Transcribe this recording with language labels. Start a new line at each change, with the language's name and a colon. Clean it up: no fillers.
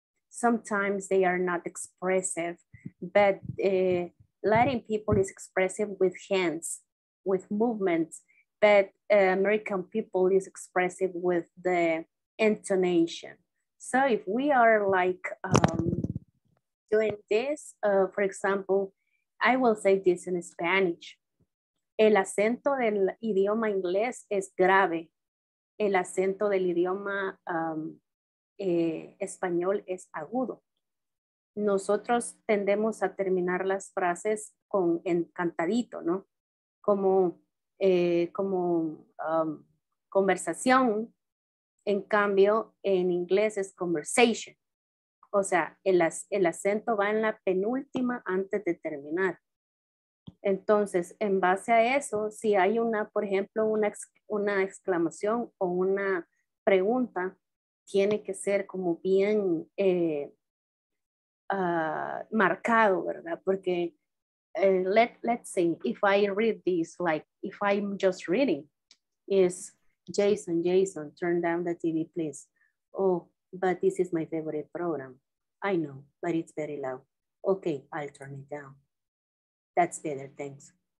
English: Sometimes they are not expressive, but Latin people is expressive with hands, with movements, but American people is expressive with the intonation. So if we are like doing this, for example, I will say this in Spanish.
Spanish: El acento del idioma inglés es grave. El acento del idioma español es agudo. Nosotros tendemos a terminar las frases con encantadito, ¿no? Como, como conversación. En cambio, en inglés es conversation. O sea, el acento va en la penúltima antes de terminar. Entonces, en base a eso, si hay una, por ejemplo, una exclamación o una pregunta, tiene que ser como bien marcado, ¿verdad? Porque,
English: let's see, if I read this, like, if I'm just reading, is Jason, turn down the TV, please. Oh, but this is my favorite program. I know, but it's very loud. Okay, I'll turn it down. That's better, thanks.